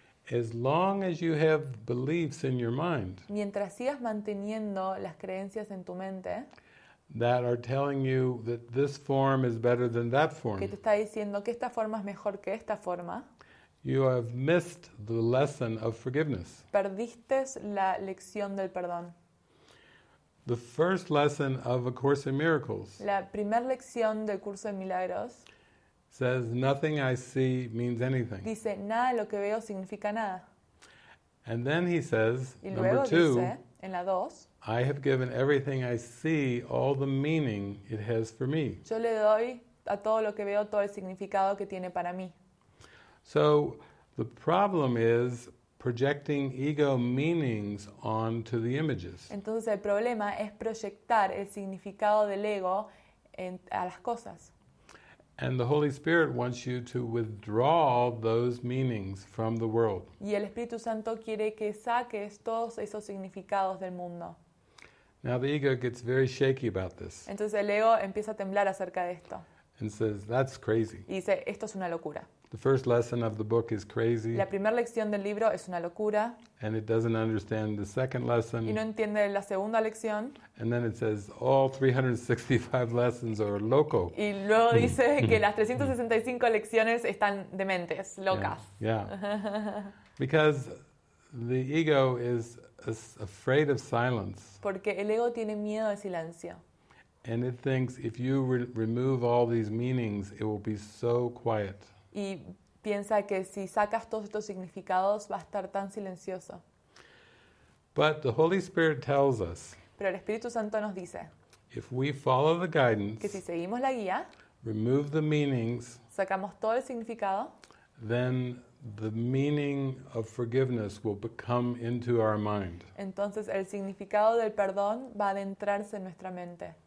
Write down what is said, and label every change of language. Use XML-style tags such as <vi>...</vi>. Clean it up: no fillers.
<en>As long as you have beliefs in your mind.</en> <es>Mientras sigas manteniendo las creencias en tu mente.</es> <en>That are telling you that this form is better than that form.</en> <es>Que te está diciendo que esta forma es mejor que esta forma.</es> <en>You have missed the lesson of forgiveness.</en> <es>Perdiste la lección del perdón.</es> <en>The first lesson of A Course in Miracles.</en> <es>La primera lección del curso de milagros.</es> <en>Says nothing I see means anything.</en> <es>Dice nada lo que veo significa nada.</es> <en>And then he says,</en> <es>y</es> <en>number</en> <es>luego</es> <en>two.</en> <es>Dice, en la dos.</es> <en>I have given everything I see all the meaning it has for me.</en> <es>Yo le doy a todo lo que veo todo el significado que tiene para mí.</es> <en>So the problem is projecting ego meanings onto the images.</en> <es>Entonces el problema es proyectar el significado del ego a las cosas.</es> <en>And the Holy Spirit wants you to withdraw those meanings from the world.</en> <es>Y el Espíritu Santo quiere que saques todos esos significados del mundo.</es> <en>Now the ego gets very shaky about this.</en> <es>Entonces el ego empieza a temblar acerca de esto.</es> <en>And says, that's crazy.</en> <es>Y dice, esto es una locura.</es> <en>The first lesson of the book is crazy.</en> <es>La primera lección del libro es una locura.</es> <en>And it doesn't understand the second lesson.</en> <es>Y no entiende la segunda lección.</es> <en>And then it says, all 365 lessons are loco.</en> <es>Y luego dice que las 365 lecciones están dementes, locas.</es> <en>Yeah. Yeah. Because the ego is afraid of silence.</en> <es>Porque el ego tiene miedo al silencio.</es> <en>And it thinks if you remove all these meanings, it will be so quiet.</en> <es>Y piensa que si sacas todos estos significados, va a estar tan silencioso.</es> <en>But the Holy Spirit tells us.</en> <es>Pero el Espíritu Santo nos dice.</es> <en>If we follow the guidance.</en> <es>Que si seguimos la guía.</es> <en>Remove the meanings.</en> <es>Sacamos todo el significado.</es> <en>Then the meaning of forgiveness will become into our mind.</en> <es>Entonces el significado del perdón va a adentrarse en nuestra mente.</es>